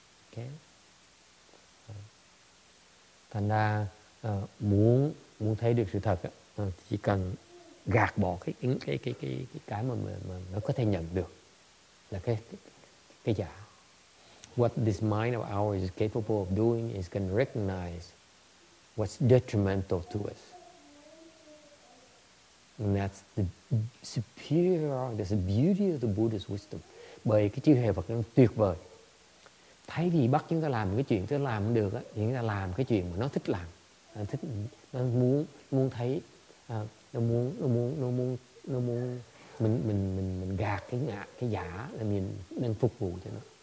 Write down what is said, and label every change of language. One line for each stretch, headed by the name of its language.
English: Okay.
Vietnamese: Thành ra muốn thấy được sự thật chỉ cần gạt bỏ cái mà nó có thể nhận được là cái giả.
English: What this mind of ours is capable of doing is can recognize what's detrimental to us, and that's the superior, that's the beauty of the Buddha's wisdom.
Vietnamese: Bởi cái trí huệ Phật nó tuyệt vời. Thay vì bắt chúng ta làm cái chuyện chúng ta làm không được á, thì chúng ta làm cái chuyện mà nó thích làm, nó muốn thấy, nó muốn mình gạt cái ngã, cái giả là mình nên phục vụ cho nó.